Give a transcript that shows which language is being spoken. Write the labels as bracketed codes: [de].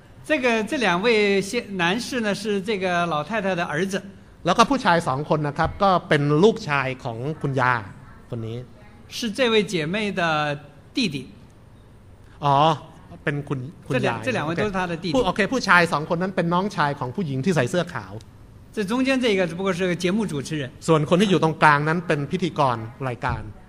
[zh] 这个这两位男士呢是这个老太太的儿子 [th] แล้วก็ผู้ชาย2คนนะครับก็เป็นลูกชายของคุณย่าคนนี้ [zh] 是这位姐妹的弟弟 [th] อ๋อเป็นคุณยาย [zh] 这两位都是他的弟弟 [th] โอเคผู้ชาย2คนนั้นเป็นน้องชายของผู้หญิงที่ใส่เสื้อขาว [zh] 这中间这个只不过是节目主持人 [th] ส่วนคนที่อยู่ตรงกลางนั้นเป็นพิธีกรรายการ